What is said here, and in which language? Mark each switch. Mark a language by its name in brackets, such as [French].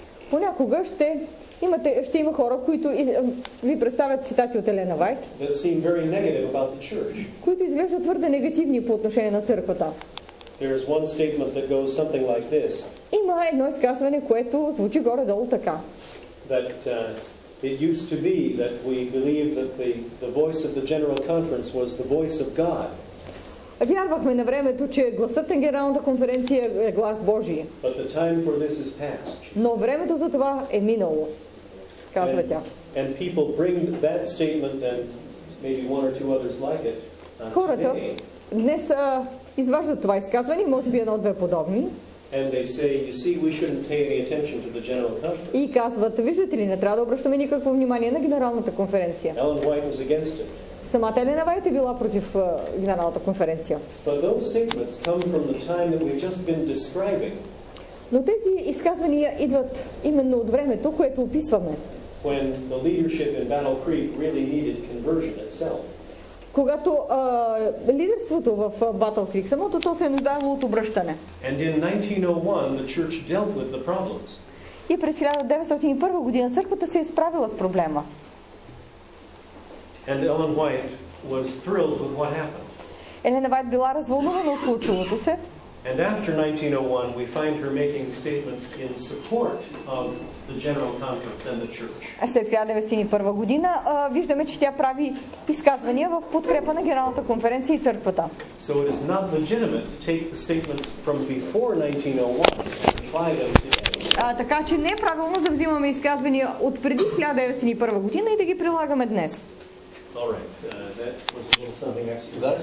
[Bulgarian] Понякога ще има хора, които ви представят цитати от Елена Вайт, [English] that seem very negative about the church. [Bulgarian] Които изглеждат твърде негативни по отношение на църквата. [English] There is one statement that goes something like this. [Bulgarian] Има едно изказване, което звучи горе-долу така. [English] That it used to be that we believe that the voice of the General Conference was the voice of God. [Bulgarian] Вярвахме на времето, че гласът на Генералната конференция е глас Божий. [English] But the time for this is past. [Bulgarian] Но времето за това е минало. Казва тя. [English] And people bring that statement and maybe one or two others like it. [Bulgarian] Хората днес изваждат това изказване, може би едно-две подобни. [English] And they say, you see, we shouldn't pay any attention to the General Conference. [Bulgarian] И казват, виждате ли, не трябва да обръщаме никакво внимание на Генералната конференция. [English] Ellen White was against it. [Bulgarian] Самата Елена Вайт е била против Генералната конференция. [English] But those statements come from the time that we've just been describing. [Bulgarian] Но тези изказвания идват именно от времето, което описваме. [English] When the leadership in Battle Creek really needed conversion itself. [Bulgarian] Когато лидерството в Батъл Крик, самото то се е нуждаело от обръщане. [English] And in 1901, the church dealt with the problems. [Bulgarian] И през 1901 година църквата се е справила с проблема. [English] And Ellen White was thrilled with what happened. [Bulgarian] Елена Вайт била развълнувана от случилото се. [English] And after 1901, we find her making statements in support of the General Conference and the Church. [Bulgarian] След 1901 година виждаме, че тя прави изказвания в подкрепа на Генералната конференция и църквата. [English] So it is not legitimate to take the statements from before 1901 and apply them today. [Bulgarian] Така че не е правилно да взимаме изказвания от преди 1901 година и да ги прилагаме днес. [English] All right, that was a little something extra.